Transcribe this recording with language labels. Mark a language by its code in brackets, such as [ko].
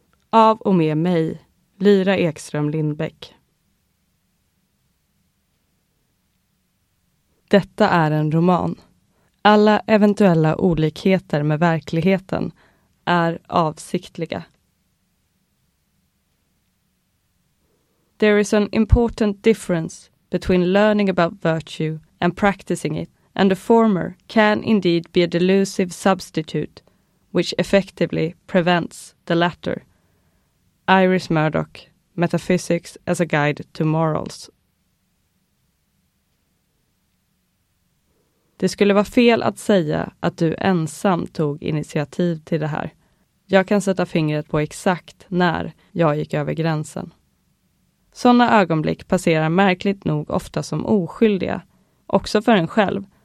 [sv] Av och med mig, Lyra Ekström Lindbäck. Detta är en roman. Alla eventuella olikheter med verkligheten är avsiktliga. [en] There is an important difference between learning about virtue and practicing it. And the former can indeed be a delusive substitute, which effectively prevents the latter. Iris Murdoch, Metaphysics as a Guide to Morals. [sv] Det skulle vara fel att säga att du ensam tog initiativ till det här. Jag kan sätta fingret på exakt när jag gick över gränsen. Sådana ögonblick passerar märkligt nog ofta som oskyldiga, också för en själv.